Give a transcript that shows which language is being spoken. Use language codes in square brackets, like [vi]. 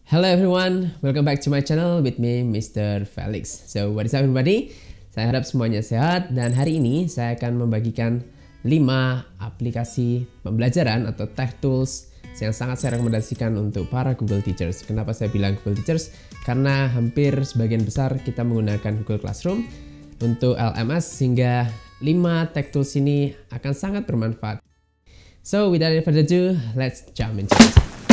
[en] Hello everyone, welcome back to my channel with me, Mr. Felix. So, what is up everybody? [id] Saya harap semuanya sehat dan hari ini saya akan membagikan 5 aplikasi pembelajaran atau tech tools yang sangat saya rekomendasikan untuk para Google Teachers. Kenapa saya bilang Google Teachers? Karena hampir sebagian besar kita menggunakan Google Classroom untuk LMS sehingga 5 tech tools ini akan sangat bermanfaat. [en] So, without any further ado, let's jump into it.